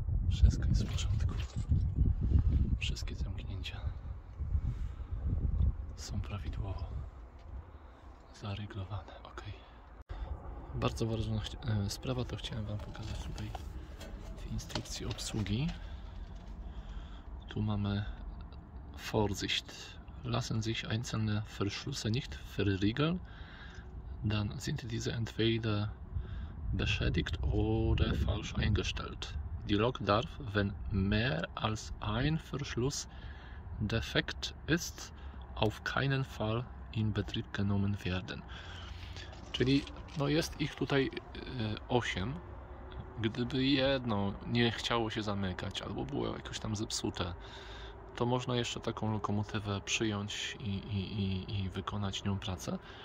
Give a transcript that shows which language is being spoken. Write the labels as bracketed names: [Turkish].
[Polish] Wszystko jest w porządku. Wszystkie zamknięcia są prawidłowo zareglowane. Ok. Bardzo ważna sprawa, to chciałem wam pokazać tutaj w instrukcji obsługi. Tu mamy [German] Vorsicht. Lassen sich einzelne Verschlüsse nicht verriegeln. dann sind diese entweder beschädigt oder falsch eingestellt. Die Lok darf, wenn mehr als ein Verschluss defekt ist, auf keinen Fall in Betrieb genommen werden. [Polish] Czyli no jest ich tutaj 8. Gdyby jedno nie chciało się zamykać albo było jakoś tam zepsute, to można jeszcze taką lokomotywę przyjąć i wykonać nią pracę.